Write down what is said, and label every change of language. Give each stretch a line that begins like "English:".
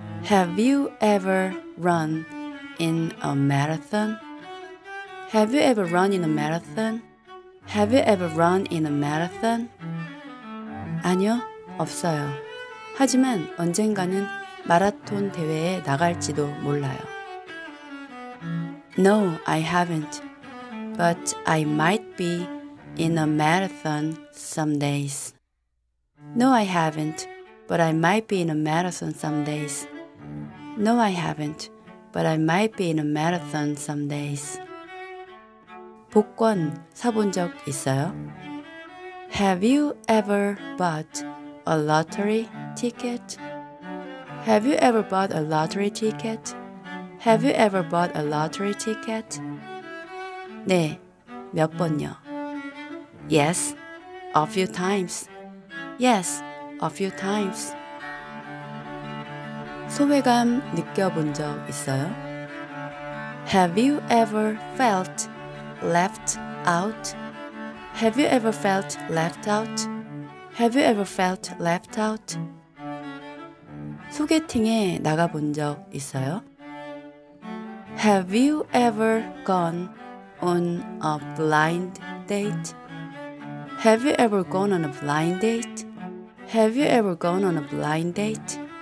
English: Have you ever run in a marathon? Have you ever run in a marathon? Have you ever run in a marathon?
Korean: 아니요, 없어요. 하지만 언젠가는 마라톤 대회에 나갈지도 몰라요.
English: No, I haven't. But I might be in a marathon some days. No, I haven't. But I might be in a marathon some days. No, I haven't. But I might be in a marathon some days.
Korean: 복권 사본 적 있어요?
English: Have you ever bought a lottery ticket? Have you ever bought a lottery ticket? Have you ever bought a lottery ticket?
Korean: 네, 몇 번요?
English: Yes, a few times. Yes, a few times.
Korean: 소외감 느껴본 적 있어요?
English: Have you ever felt left out? Have you ever felt left out? Have you ever felt left out?
Korean: 소개팅에 나가본 적 있어요?
English: Have you ever gone on a blind date? Have you ever gone on a blind date? Have you ever gone on a blind date?